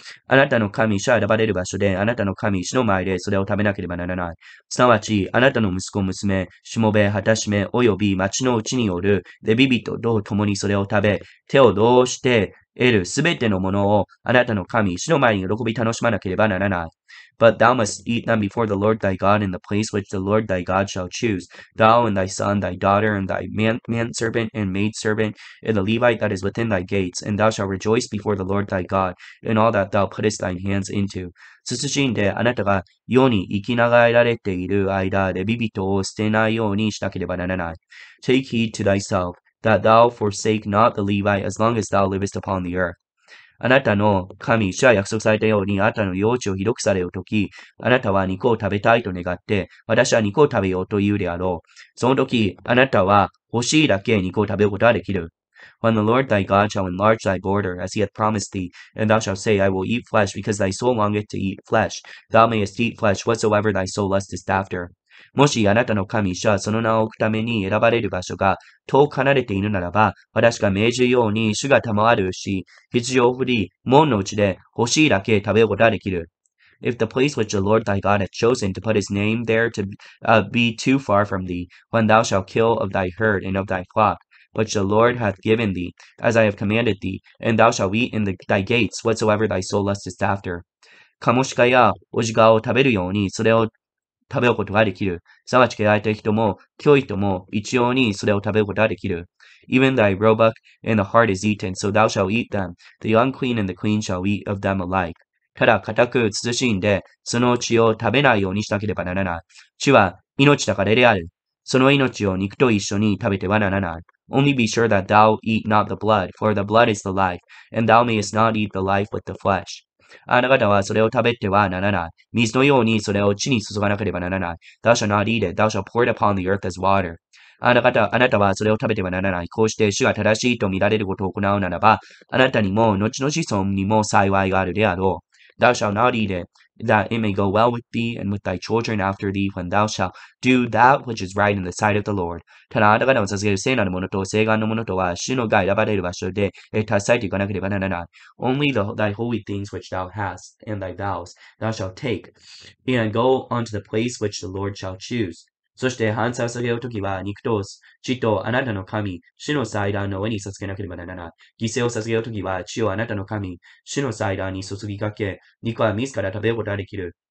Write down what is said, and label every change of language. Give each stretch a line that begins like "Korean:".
Japanese: あなたの神、主は選ばれる場所で、あなたの神、主の前でそれを食べなければならない。すなわち、あなたの息子、娘、しもべ、はたしめ、および町のうちによるレビ人と共にそれを食べ、手を通して、得るすべてのものをあなたの神、主の前に喜び楽しまなければならない。
English: But thou must eat them before the Lord thy God in the place which the Lord thy God shall choose, thou and thy son, thy daughter, and thy manservant and maidservant, and the Levite that is within thy gates, and thou shalt rejoice before the Lord thy God in all that thou puttest thine hands into.
Japanese: 慎んであなたが世に生きながらえられている間、レビ人を捨てないようにしなければならない。
English: Take heed to thyself. That thou forsake not the Levite as long as thou livest upon the earth.
Japanese: あなたの神、主は約束されたように、あなたの幼稚をひどくされるとき、あなたは肉を食べたいと願って、私は肉を食べようと言うであろう。そのとき、あなたは欲しいだけ肉を食べることができる。
English: When the Lord thy God shall enlarge thy border, as he hath promised thee, and thou shalt say, I will eat flesh, because thy soul longeth to eat flesh, thou mayest eat flesh whatsoever thy soul lustest after.
Japanese: もしあなたの神、主はその名を置くために選ばれる場所が遠く離れているならば、私が命じるように主が賜るし、羊を振り、門の内で欲しいだけ食べることができる。
English: If the place which the Lord thy God hath chosen to put his name there to be too far from thee, when thou shalt kill of thy herd and of thy flock, which the Lord hath given thee, as I have commanded thee, and thou shalt eat in thy gates whatsoever thy soul lusteth after.
Japanese: カモシカやオジカを食べるように、それを食べることができる。すなわち、汚れた人も、清い人も、一様にそれを食べることができる。
English: Even thy roebuck and the hart is eaten, so thou shalt eat them. The unclean and the clean shall eat of them alike.
Japanese: ただ、固く慎んで、その血を食べないようにしなければならない。血は命だからである。その命を肉と一緒に食べてはならない。
English: Only be sure that thou eat not the blood, for the blood is the life, and thou mayest not eat the life with the flesh.
Japanese: あなた方はそれを食べてはならない。水のようにそれを地に注がなければならない。
English: Thou shalt not eat it, thou shalt pour it upon the earth as water.
Japanese: あなたはそれを食べてはならない。こうして主が正しいと見られることを行うならば、あなたにも、後の子孫にも幸いがあるであろう。
English: Thou shalt not eat it, that it may go well with thee and with thy children after thee, when thou shalt do that which is right in the sight of the Lord.
Japanese: ただあなた方を捧げる聖なるものと聖願のものとは、主の害選ばれる場所で、携えていかなければならない。
English: Only thy holy things which thou hast, and thy vows, thou shalt take, and go unto the place which the Lord shall choose.
Japanese: そして、燔祭を捧げるときは、肉と血とあなたの神、主の祭壇の上に捧げなければならない。犠牲を捧げるときは、血をあなたの神、主の祭壇に注ぎかけ、肉は自ら食べることができる。